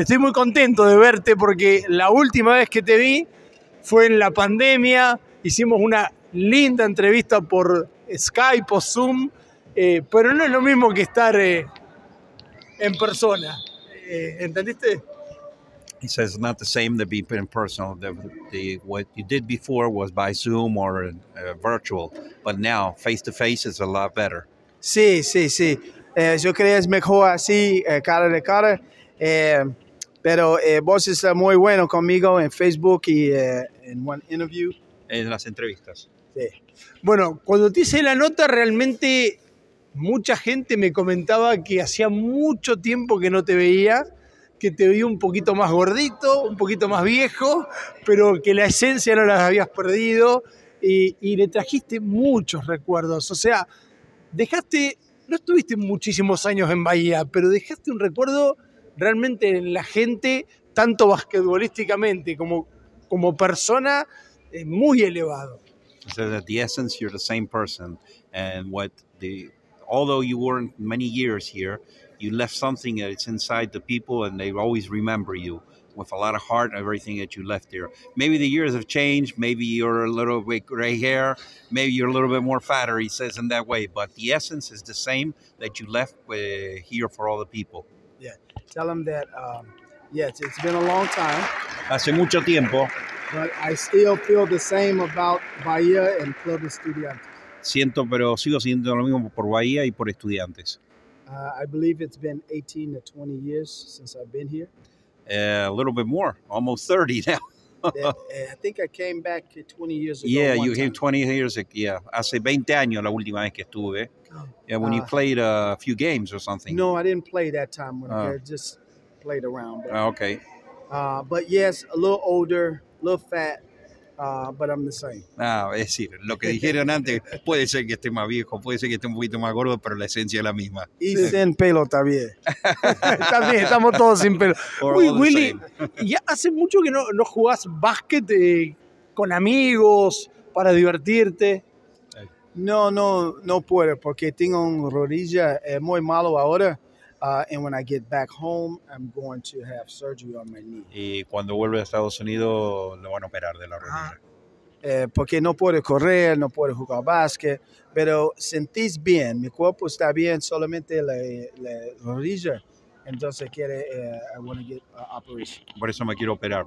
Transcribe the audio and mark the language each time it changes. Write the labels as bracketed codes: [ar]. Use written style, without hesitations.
[es] Estoy muy contento de verte porque la última vez que te vi fue en la pandemia. Hicimos una linda entrevista por Skype o Zoom, pero no es lo mismo que estar en persona. ¿Entendiste? [en] He says not the same to be in person. The what you did before was by Zoom or virtual, but now face to face is a lot better. [es] Sí. Yo creo que es mejor así, cara de cara. Pero vos estás muy bueno conmigo en Facebook y en One Interview. En las entrevistas. Sí. Bueno, cuando te hice la nota, realmente mucha gente me comentaba que hacía mucho tiempo que no te veía, que te veía un poquito más gordito, un poquito más viejo, pero que la esencia no la habías perdido y le trajiste muchos recuerdos. O sea, dejaste. No estuviste muchísimos años en Bahía, pero dejaste un recuerdo realmente en la gente, tanto basquetbolísticamente como persona, muy elevado. [en] So that the essence, you're the same person, and what the although you weren't many years here, you left something that's inside the people, and they always remember you with a lot of heart. Everything that you left there. Maybe the years have changed. Maybe you're a little bit gray hair. Maybe you're a little bit more fatter. He says in that way, but the essence is the same that you left here for all the people. Yeah, tell him that. Yes, it's been a long time, [es] Hace mucho tiempo. [en] but I still feel the same about Bahía and Club Estudiantes. [es] Siento, pero sigo sintiendo lo mismo por Bahía y por Estudiantes. [en] I believe it's been 18 to 20 years since I've been here. A little bit more, almost 30 now. I think I came back 20 years ago Yeah, one you came 20 years ago. Yeah, [es] hace 20 años la última vez que estuve. [en] Yeah, when you played a few games or something. No, I didn't play that time when I just played around. But okay. yes, a little older, a little fat, but I'm the same. [es] Ah, es decir, lo que dijeron antes, puede ser que esté más viejo, puede ser que esté un poquito más gordo, pero la esencia es la misma. Y sin pelo también. También estamos todos sin pelo. [en] We're Uy, all the Willy, same. [es] ¿ya hace mucho que no jugás básquet con amigos para divertirte? No puedo porque tengo una rodilla muy malo ahora. [en] And when I get back home, I'm going to have surgery on my knee. [es] Y cuando vuelve a Estados Unidos, lo van a operar de la rodilla. Porque no puedo correr, no puedo jugar básquet, pero sentís bien, mi cuerpo está bien, solamente la rodilla. Entonces quiere, [en] I want to get an operation. [es] Por eso me quiero operar.